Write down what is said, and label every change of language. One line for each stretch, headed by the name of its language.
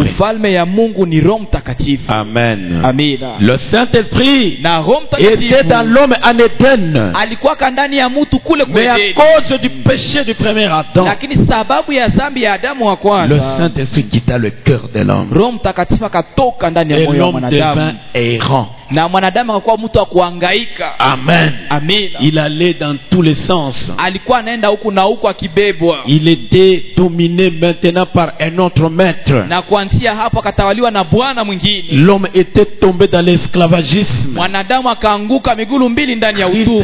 Swahili: Ufalme ya Mungu ni Roho Mtakatifu. Amen. Amen.
French: Le Saint-Esprit.
Swahili: Na Roho Mtakatifu.
French: Était dans l'homme en Eden.
Swahili: Alikuwa kandani ya mutu kule kule.
French: Mais à cause du péché du premier Adam.
Swahili: Lakini sababu ya dhambi ya Adamu wa kwanza.
French: Le Saint-Esprit quitta le cœur de l'homme.
Swahili: Roho Mtakatifu akatoka ndani ya moyo wa mwanadamu.
French: Et l'homme devint errant.
Swahili: Na mwanadamu akakuwa mtu wa kuhangaika. Amen. Amen.
French: Il allait dans tous les sens.
Swahili: Alikuwa anaenda huku na huku akibebwa.
French: Il était dominé maintenant par un autre maître.
Swahili: Na kuanzia hapo akatawaliwa na bwana mwingine.
French: L'homme était tombé dans l'esclavagisme.
Swahili: Mwanadamu akaanguka miguu mbili ndani ya utumwa.